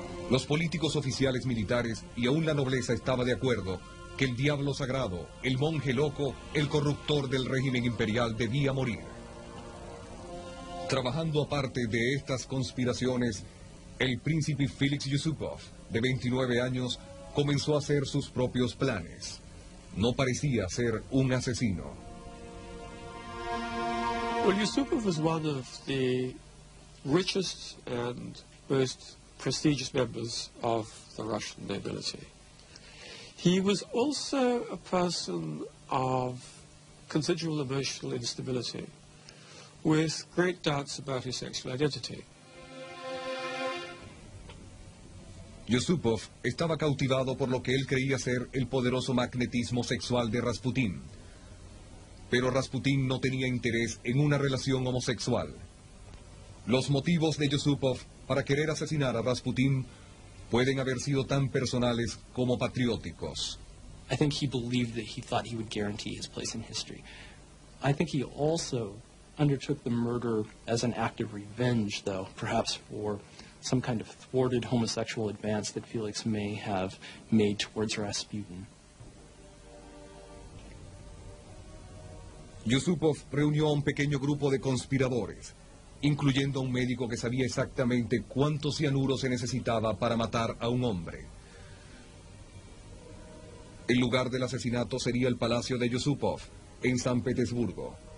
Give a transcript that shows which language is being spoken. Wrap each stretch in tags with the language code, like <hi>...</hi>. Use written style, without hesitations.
<es>Los políticos oficiales militares y aún la nobleza estaba de acuerdo que el diablo sagrado, el monje loco, el corruptor del régimen imperial debía morir. Trabajando aparte de estas conspiraciones, el príncipe Félix Yusupov, de 29 años, comenzó a hacer sus propios planes. No parecía ser un asesino.</es> <en>Well, Yusupov was one of the richest and most prestigious members of the Russian nobility. He was also a person of considerable emotional instability, with great doubts about his sexual identity.</en> <es>Yusupov estaba cautivado por lo que él creía ser el poderoso magnetismo sexual de Rasputín. Pero Rasputín no tenía interés en una relación homosexual. Los motivos de Yusupov para querer asesinar a Rasputín pueden haber sido tan personales como patrióticos.</es> <en>I think he believed that he thought he would guarantee his place in history. I think he also undertook the murder as an act of revenge, though, perhaps for some kind of thwarted homosexual advance that Felix may have made towards Rasputin.</en> <es>Yusupov reunió a un pequeño grupo de conspiradores, incluyendo a un médico que sabía exactamente cuánto cianuro se necesitaba para matar a un hombre. El lugar del asesinato sería el palacio de Yusupov, en San Petersburgo.</es>